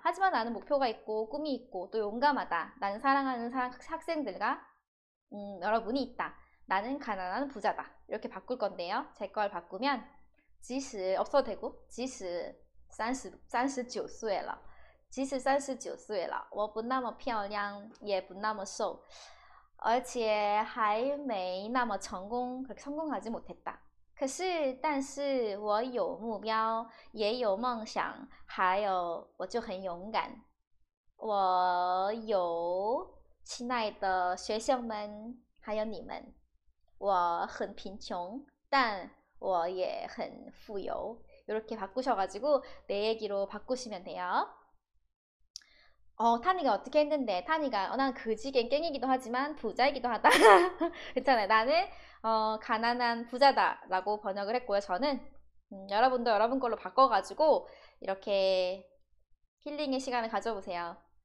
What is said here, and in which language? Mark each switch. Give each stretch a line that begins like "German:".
Korean: 하지만 나는 목표가 있고 꿈이 있고 또 용감하다. 나는 사랑하는 학생들과 여러분이 있다. 나는 가난한 부자다. 이렇게 바꿀 건데요. 제걸 바꾸면 即使 없어도 되고
Chinese: 即使 39岁了. 即使 39岁了. 我不那么漂亮也不那么瘦.而且还没那么成功，可成功还是没太大。可是，但是我有目标，也有梦想，还有我就很勇敢。我有亲爱的学生们，还有你们。我很贫穷，但我也很富有。
Korean: 이렇게 바꾸셔가지고 내 얘기로 바꾸시면 돼요. 타니가 어떻게 했는데? 타니가 난 그지겐 깽이기도 하지만 부자이기도 하다. 괜찮아요. 나는 가난한 부자다라고 번역을 했고요. 저는 여러분도 여러분 걸로 바꿔가지고 이렇게 힐링의 시간을 가져보세요.